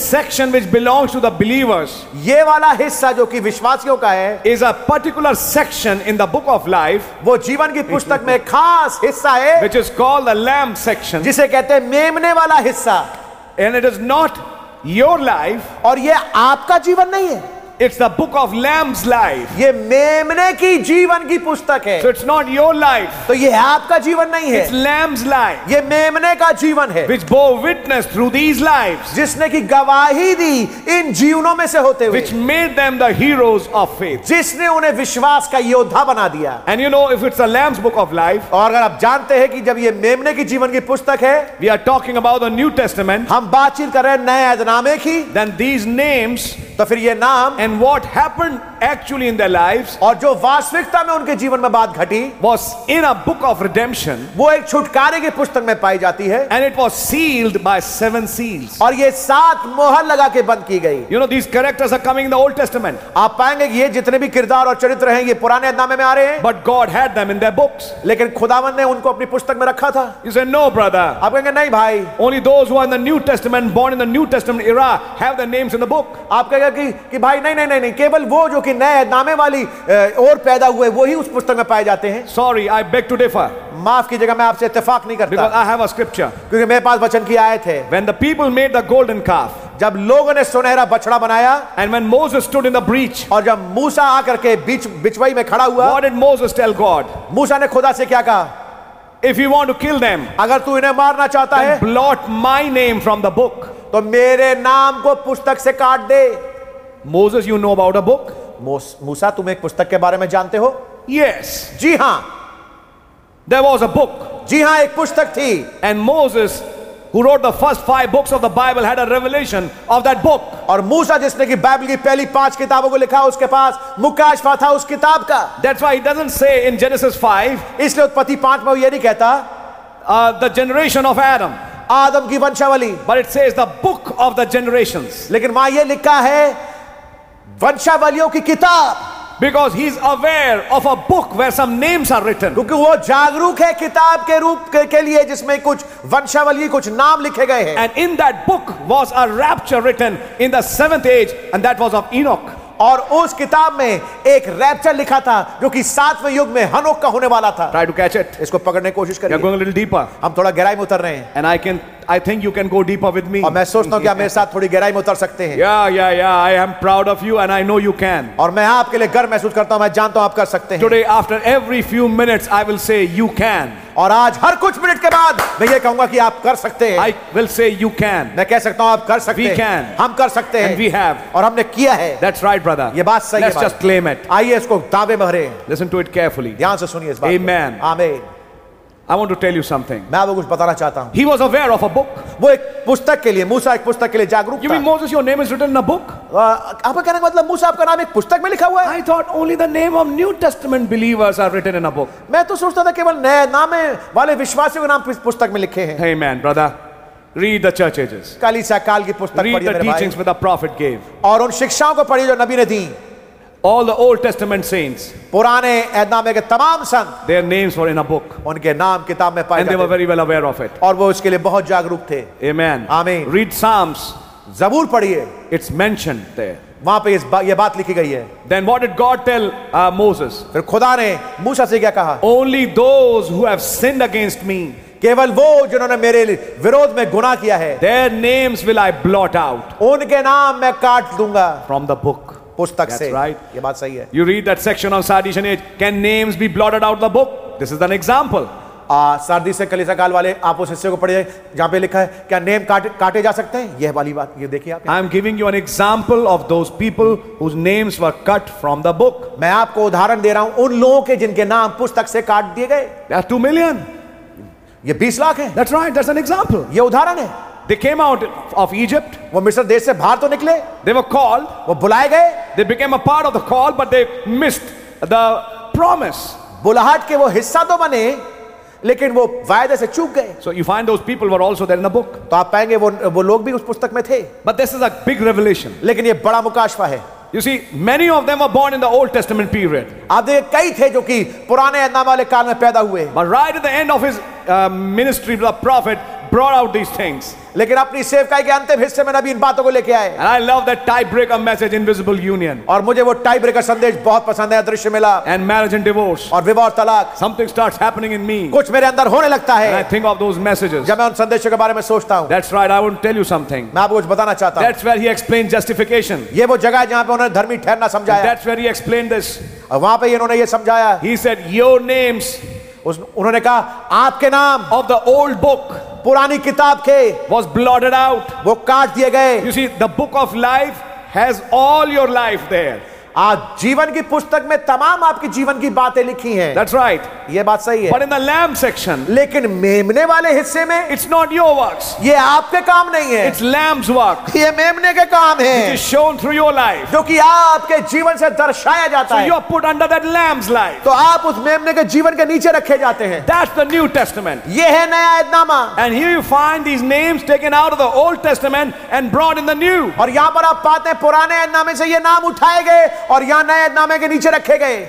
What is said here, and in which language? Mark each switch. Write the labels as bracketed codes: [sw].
[en] Section which belongs to the believers. [hi] ये वाला हिस्सा जो कि विश्वासियों का है. [en] Is a particular section in the book of life. [hi] वो जीवन की पुस्तक में खास हिस्सा है. [en] Which is called the lamb section. [hi] जिसे कहते हैं मेमने वाला हिस्सा. [en] And it is not your life. [hi] और ये आपका जीवन नहीं है. [en] It's the book of Lamb's life. [hi] ये मेमने की जीवन की पुस्तक है. [en] So it's not your life. [hi] तो ये आपका जीवन नहीं है. [en] It's Lamb's life. [hi] ये मेमने का जीवन है. [en] Which bore witness through these lives. [hi] जिसने की गवाही दी इन जीवनों में से होते हुए. [en] Which made them the heroes of faith. [hi] जिसने उन्हें विश्वास का योद्धा बना दिया. [en] And you know if it's the Lamb's book of life. [hi] और अगर आप जानते हैं कि जब ये मेमने की जीवन की पुस्तक है. [en] We are talking about the New Testament. [hi] हम बातचीत कर रहे हैं नए अहदनामे की. [en] Then these names. [hi] तो फिर ये नाम. [en] And what happened actually in their lives? [hi] और जो वास्तविकता में उनके जीवन में बात घटी, [en] was in a book of redemption. [hi] वो एक छुटकारे की पुस्तक में पाई जाती है. [en] And it was sealed by seven seals. [hi] और ये सात मोहर लगा के बंद की गई. [en] You know these characters are coming in the Old Testament. [hi] आप पाएंगे कि ये जितने भी किरदार और चरित्र हैं, ये पुराने अहदनामे में आ रहे हैं. [en] But God had them in their books. [hi] लेकिन खुदावन ने उनको अपनी पुस्तक में रखा था. [en] You say no, brother. [hi] आप कहेंगे नहीं भाई. [en] Only those who are in the New Testament, born in the New Testament era, have their names in the book. [hi] आप कहेंगे कि भाई नहीं नहीं नहीं केवल वो जो कि नए नामे वाली और पैदा हुए वो ही उस पुस्तक में पाए जाते हैं. [en] Sorry I beg to differ. [hi] माफ कीजिएगा मैं आपसे इत्तेफाक नहीं करता. [en] Because I have a scripture. [hi] क्योंकि मेरे पास वचन की आयत है. [en] When the people made the golden calf. [hi] जब लोगों ने सुनहरा बछड़ा बनाया. [en] And when Moses stood in the breach. [hi] और जब मूसा आकर के बीच बिचवाई में खड़ा हुआ. [en] What did Moses tell God. [hi] मूसा ने खुदा से क्या कहा. [en] If you want to kill them. [hi] अगर तू इन्हें मारना चाहता है. [en] Blot my name from the book. [hi] तो मेरे नाम को पुस्तक से काट दे. [en] Moses, you know about a book? [hi] Musa, तुम एक पुस्तक के बारे में जानते हो? [en] Yes. [hi] जी हाँ. [en] There was a book. [hi] जी हाँ एक पुस्तक थी. [en] And Moses, who wrote the first five books of the Bible, had a revelation of that book. [hi] और मूसा जिसने की बाइबल की पहली पांच किताबों को लिखा उसके पास मुकाशफा था उस किताब का. [en] That's why he doesn't say in Genesis 5. [hi] इसलिए उत्पत्ति पांच में वो ये नहीं कहता. [en] The generation of Adam. [hi] आदम की वंशावली. [en] But it says the book of the generations. [hi] लेकिन वहां ये लिखा है वंशावलियों की किताब. [en] Because he is aware of a book where some names are written. [hi] क्योंकि वो जागरूक है किताब के रूप के लिए जिसमें कुछ वंशावली कुछ नाम लिखे गए हैं. [en] And in that book was a rapture written in the seventh age, and that was of Enoch. [hi] और उस किताब में एक रैप्चर लिखा था जो कि सातवें युग में हनोक का होने वाला था. [en] Try to catch it. [hi] इसको पकड़ने की कोशिश करिए. [en] You're going a little deeper. [hi] हम थोड़ा गहराई में उतर रहे हैं. [en] And I think you can go deeper with me. [hi] और मैं सोचता हूँ कि आप मेरे साथ थोड़ी गहराई में उतर सकते हैं. [en] Yeah. I am proud of you, and I know you can. [hi] और मैं आपके लिए गर्व महसूस करता हूँ. मैं जानता हूँ आप कर सकते हैं. [en] Today, after every few minutes, I will say you can. [hi] और आज हर कुछ मिनट के बाद मैं ये कहूंगा कि आप कर सकते हैं. [en] I will say you can. [hi] मैं कह सकता हूं आप कर सकते हैं. [en] We can. [hi] हम कर सकते हैं. [en] And we have. [hi] और हमने किया है. [en] That's right, brother. [hi] ये बात सही है. [en] Let's just claim it. [hi] आइए इसको दावे में भरें. [en] Listen to it carefully. [hi] ध्यान से सुनिए इस बात. [en] Amen. Amen. I want to tell you something. [hi] मैं आपको कुछ बताना चाहता हूं. [en] He was aware of a book. [hi] वो एक पुस्तक के लिए मूसा एक पुस्तक के लिए जागरूक था. [en] You mean Moses, your name is written in a book? [hi] आपका कहने का मतलब मूसा आपका नाम एक पुस्तक में लिखा हुआ है? [en] I thought only the name of New Testament believers are written in a book. [hi] मैं तो सोचता था केवल नए नामे वाले विश्वासियों के नाम पुस्तक में लिखे हैं. [en] Amen, brother. Read the church ages. [hi] कलीसिया काल की पुस्तक पढ़िए. [en] Read the teachings that the prophet gave. [hi] और उन शिक्षाओं को पढ़िए जो नबी ने दी. [en] All the Old Testament saints. [hi] पुराने ऐदनामे के तमाम संत. [en] Their names were in a book. [hi] उनके नाम किताब में पाए गए. [en] And they were very well aware of it. [hi] और वो उसके लिए बहुत जागरूक थे. [en] Amen. Amen. Read Psalms. [hi] ज़बूर पढ़िए. [en] It's mentioned there. [hi] वहाँ पे ये बात लिखी गई है. [en] Then what did God tell Moses? [hi] फिर खुदा ने मूसा से क्या कहा? [en] Only those who have sinned against me. [hi] केवल वो जिन्होंने मेरे विरोध में गुनाह किया है. [en] Their names will I blot out. [hi] उनके नाम मैं काट दूंगा. [en] From the book. [hi] पुस्तक से. [en] Right. [hi] ये बात सही है. [en] You read that section of Sardis age. Can names be blotted out of the book? This is an example. [hi] सर्दी से कलीसिया काल वाले आप उस हिस्से को पढ़िए जहां पे लिखा है क्या नेम काटे जा सकते हैं. यह वाली बात ये देखिए आप. [en] I am giving you an example of those people whose names were cut from the book. [hi] मैं आपको उदाहरण दे रहा हूं उन लोगों के जिनके नाम पुस्तक से काट दिए गए. [en] That's 2 million. [hi] ये 20 लाख है. [en] That's right. That's an example. [hi] ये उदाहरण है. [en] They came out of Egypt. [hi] वो मिस्र देश से बाहर तो निकले. [en] They were called. [hi] वो बुलाए गए. [en] They became a part of the call but they missed the promise. [hi] बुलाहट के वो हिस्सा तो बने लेकिन वो वायदे से चूक गए. [en] So you find those people were also there in the book. [hi] तो आप पाएंगे वो लोग भी उस पुस्तक में थे. [en] But this is a big revelation. [hi] लेकिन ये बड़ा मुकाशफा है. [en] You see, many of them were born in the Old Testament period. [hi] आप देखिए कई थे जो कि पुराने ऐदनामे वाले काल में पैदा हुए. [en] But right at the end of his ministry, the prophet brought out these things. [hi] लेकिन अपनी सेवकाई के अंतिम हिस्से में नबी इन बातों को लेके आए. [en] And I love that tie-breaker message, invisible union. [hi] और मुझे वो tie-breaker संदेश बहुत पसंद है. दृश्य मिला. [en] And marriage and divorce. [hi] और विवाह तलाक. [en] Something starts happening in me. [hi] कुछ मेरे अंदर होने लगता है. [en] And I think of those messages. [hi] जब मैं उन संदेशों के बारे में सोचता हूँ. [en] That's right. I want to tell you something. [hi] मैं आपको कुछ बताना चाहता हूँ. [en] That's where he explained justification. [hi] ये वो जगह जहाँ पे उन्होंने धर्मी ठहरना समझाया. [en] That's where he explained this. [hi] और वहाँ पे इन्होंने ये समझाया. [en] He said, "Your names." [hi] उन्होंने कहा आपके नाम [en] of the old book [hi] पुरानी किताब के [en] was blotted out [hi] वो काट दिए गए. [en] You see the book of life has all your life there. [hi] आज जीवन की पुस्तक में तमाम आपके जीवन की बातें लिखी हैं. [en] That's right. [hi] ये बात सही है. [en] But in the lamb section, [hi] लेकिन मेमने वाले हिस्से में, [en] it's not your works. [hi] ये आपके काम नहीं है. [en] It's lamb's work. [hi] ये मेमने के काम है. [en] It is shown through your life. [hi] जो कि आपके जीवन से दर्शाया जाता है. [en] So you are put under that lamb's life. [hi] तो आप उस मेमने के जीवन के नीचे रखे जाते हैं. [en] That's the New Testament. [hi] ये है नया ऐदनामा. [en] And here you find these names taken out of the Old Testament and brought in the New. [hi] और यहाँ पर आप पाते हैं पुराने ऐदनामे से ये नाम उठाए गए और यहाँ नए ऐदनामे के नीचे रखे गए.